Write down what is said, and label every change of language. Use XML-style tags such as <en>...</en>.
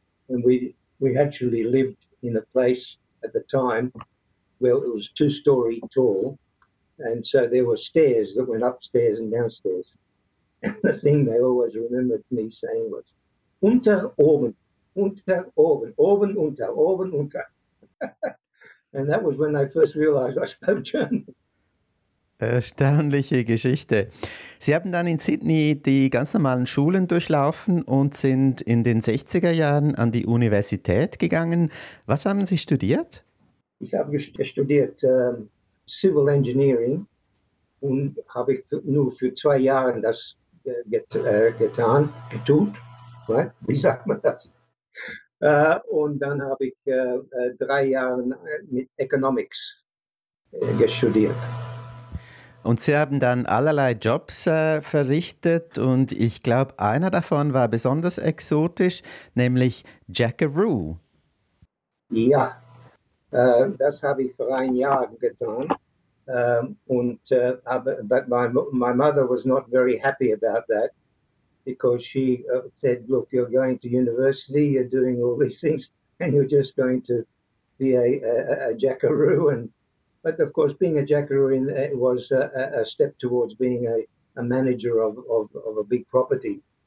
<en>And we actually lived in a place at the time where it was two-story tall, and so there were stairs that went upstairs and downstairs. And the thing they always remembered me saying was,</en> <de>unter oben, oben unter, oben unter.</de> <en>And that was when they first realized I spoke German.</en> <de>Erstaunliche Geschichte. Sie haben dann in Sydney die ganz normalen Schulen durchlaufen und sind in den 60er Jahren an die Universität gegangen. Was haben Sie studiert? Ich habe studiert Civil Engineering und habe nur für 2 Jahre das getan, getut. Wie sagt man das? Und dann habe ich 3 Jahre mit Economics studiert. Und Sie haben dann allerlei Jobs verrichtet und ich glaube, einer davon war besonders exotisch, nämlich Jackaroo. Ja, das habe ich für ein Jahr getan.</de> <en>But my mother was not very happy about that, because she said, look, you're going to university, you're doing all these things, and you're just going to be a Jackaroo. But of course, being a jackaroo was a step towards being a manager of a big property.</en>